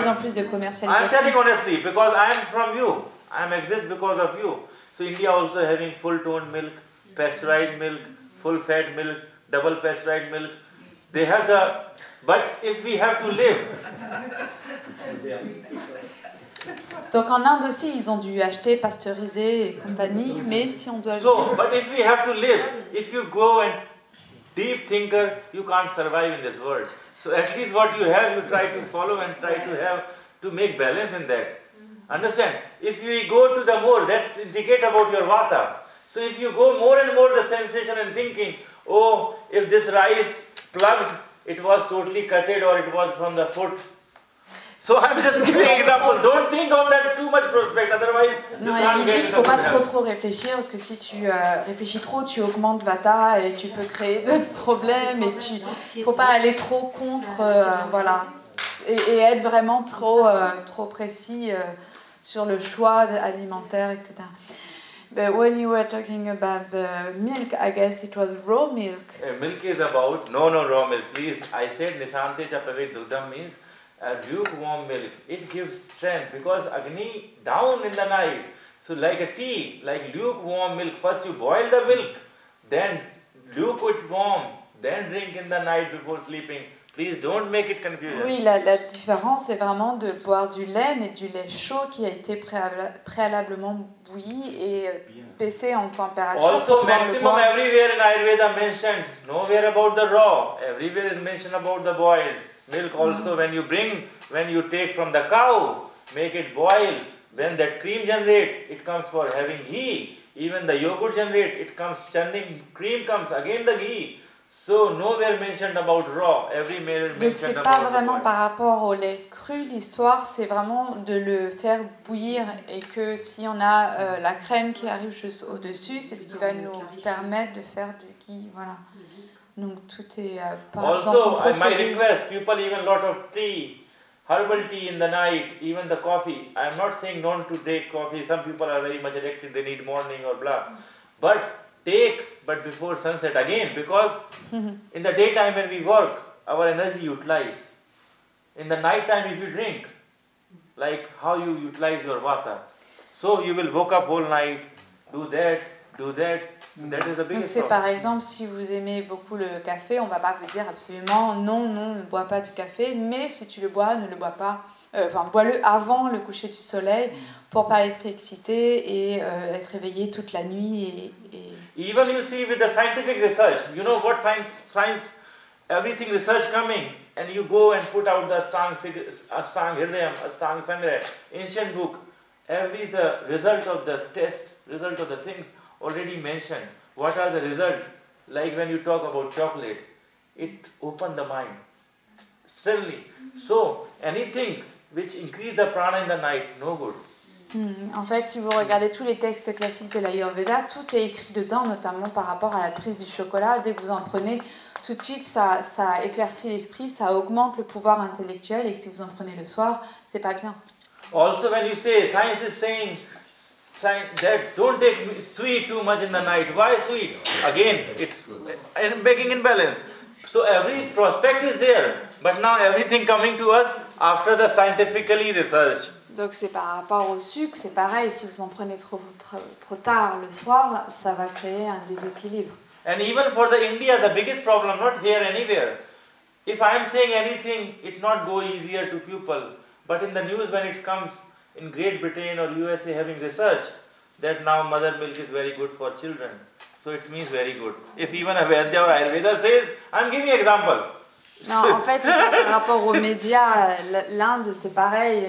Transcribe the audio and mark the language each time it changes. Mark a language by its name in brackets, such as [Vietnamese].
[French] plus en plus de commercialisation. [English] I'm telling honestly because I am from you. I am exist because of you. So India also having full toned milk, pasteurized milk, full fat milk, double pasteurized milk. They have the, but if we have to live. [French] Donc en Inde aussi ils ont dû acheter pasteurisé et compagnie, mais si on doit. [English] So, but if we have to live, if you go and deep thinker, you can't survive in this world. So at least what you have, you try to follow and try to have to make balance in that. Understand? If we go to the more, that's indicate about your vata. So if you go more and more the sensation and thinking, oh, if this rice plugged, it was totally cutted or it was from the foot. So I'm just giving example. Don't think on that too much prospect, otherwise [French] non, [English] you can't [French] il [English] get [French] dit, [English] it. [French] Faut pas trop réfléchir, parce que si tu réfléchis trop, tu augmentes vata et tu peux créer d'autres problèmes et tu faut pas aller trop contre voilà. Et être vraiment trop précis sur le choix alimentaire, etc. [English] But when you were talking about the milk, I guess it was raw milk. Milk is about no raw milk. Please, I said Nishanti Chapavi Dudam means a lukewarm milk. It gives strength because Agni down in the night. So like a tea, like lukewarm milk. First you boil the milk, then lukewarm, then drink in the night before sleeping. Please don't make it confusing. [French] Oui, la différence est vraiment de boire du lait, mais du lait chaud qui a été préalablement bouilli et baissé en température. [English] Also, maximum everywhere in Ayurveda mentioned, nowhere about the raw. Everywhere is mentioned about the boiled. Milk also, when you take from the cow, make it boil, when that cream generate, it comes for having ghee. Even the yogurt generate, it comes, churning cream comes, again the ghee. So nowhere mentioned about raw, every male mentioned about the boiled. [French] Donc c'est pas vraiment par rapport au lait cru. cru, l'histoire, c'est vraiment de le faire bouillir et que si on a la crème qui arrive juste au-dessus, c'est ce qui va nous permettre de faire du ghee, voilà. Donc tout est pas dans son procédé. [English] Also, my request, people even lot of tea, herbal tea in the night, even the coffee. I am not saying not to drink coffee. Some people are very much addicted, they need morning or blah. But take, but before sunset again, because in the daytime when we work, our energy utilizes. In the night time if you drink, like how you utilize your vata. So you will woke up whole night, do that. [French] Donc c'est par exemple, si vous aimez beaucoup le café, on ne va pas vous dire absolument non, ne bois pas du café, mais si tu le bois, ne le bois pas, bois-le avant le coucher du soleil pour ne pas être excité et être éveillé toute la nuit. [English] Even you see with the scientific research, you know what science, everything research coming, and you go and put out the strong hirdayam, a strong sangraha, ancient book, every the result of the test, result of the things, already mentioned. What are the results? Like when you talk about chocolate, it opens the mind. Certainly. So, anything which increases the prana in the night, no good. [French] En fait, si vous regardez tous les textes classiques de l'Ayurveda, tout est écrit dedans, notamment par rapport à la prise du chocolat. Dès que vous en prenez, tout de suite, ça éclaircit l'esprit, ça augmente le pouvoir intellectuel, et si vous en prenez le soir, c'est pas bien. [English] Also, when you say, science is saying, that don't take sweet too much in the night. Why sweet? Again, it's making imbalance. So every prospect is there, but now everything coming to us after the scientifically research. [French] Donc c'est par rapport au sucre, c'est pareil. Si vous en prenez trop tard le soir, ça va créer un déséquilibre. [English] And even for the India, the biggest problem not here anywhere. If I am saying anything, it not go easier to people. But in the news when it comes. In Great Britain or USA having research that now mother milk is very good for children. So it means very good. If even a Vaidya or Ayurveda says, I'm giving example. [French] Non, en fait, par rapport aux médias, l'Inde, c'est pareil.